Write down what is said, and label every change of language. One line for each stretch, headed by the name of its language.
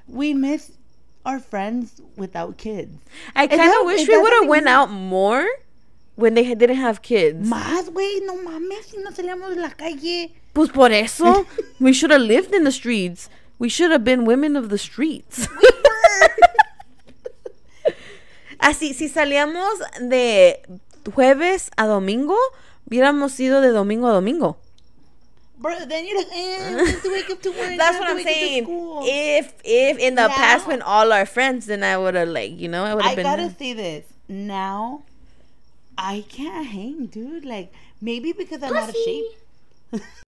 English: We miss our friends without kids. I kind of wish we would have went out more when they didn't have kids.
Spanish: Más, güey. No mames. Si no salíamos de la calle. Pues por eso.
English: We should have lived in the streets. We should have been women of the streets. We were.
Spanish: Así, si salíamos de jueves a domingo, hubiéramos ido de domingo a domingo.
English: Bro, then you're like, just wake up to work. That's what I'm saying. If in the past when all our friends, then I would have, like, you know, I would have been. I gotta see this. Now, I can't hang, dude. Like, maybe because I'm out of shape.